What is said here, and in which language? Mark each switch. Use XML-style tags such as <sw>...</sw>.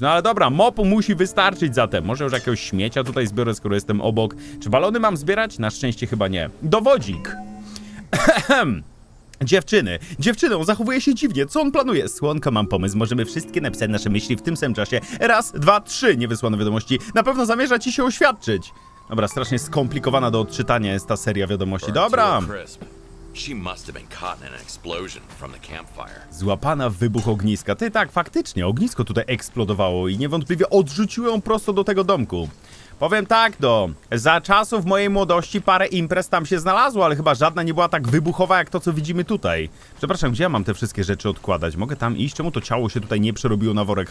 <pl>No ale dobra, mopu musi wystarczyć zatem. Może już jakiegoś śmiecia tutaj zbiorę, skoro jestem obok. Czy balony mam zbierać? Na szczęście chyba nie. Dowodzik! Dziewczyny, dziewczyno, zachowuje się dziwnie, co on planuje? Słonko, mam pomysł, możemy wszystkie napisać nasze myśli w tym samym czasie. Raz, dwa, trzy, niewysłane wiadomości. Na pewno zamierza ci się oświadczyć. Dobra, strasznie skomplikowana do odczytania jest ta seria wiadomości. Dobra!</pl> <en>She must have been caught in an explosion from the campfire.</en> <pl>Złapana w wybuch ogniska. Ty tak, faktycznie, ognisko tutaj eksplodowało i niewątpliwie odrzuciło ją prosto do tego domku. Powiem tak, do za czasów mojej młodości parę imprez tam się znalazło, ale chyba żadna nie była tak wybuchowa jak to, co widzimy tutaj. Przepraszam, gdzie ja mam te wszystkie rzeczy odkładać? Mogę tam iść? Czemu to ciało się tutaj nie przerobiło na worek?</pl>